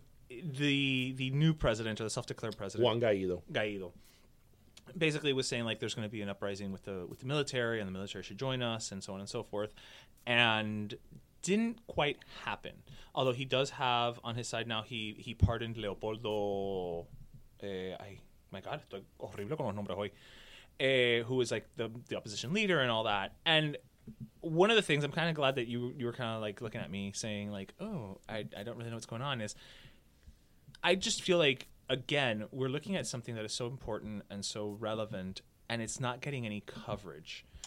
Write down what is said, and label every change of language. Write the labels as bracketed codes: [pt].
[en] The new president or the self-declared president. Juan Guaido. Guaido. Basically was saying like there's going to be an uprising with the military and the military should join us and so on and so forth. And... didn't quite happen. Although he does have on his side now, he pardoned Leopoldo. My God, [es] estoy horrible con los nombres hoy. [en] Who was like the opposition leader and all that. And one of the things I'm kind of glad that you were kind of like looking at me saying like, oh, I don't really know what's going on. Is I just feel like again we're looking at something that is so important and so relevant, and it's not getting any coverage.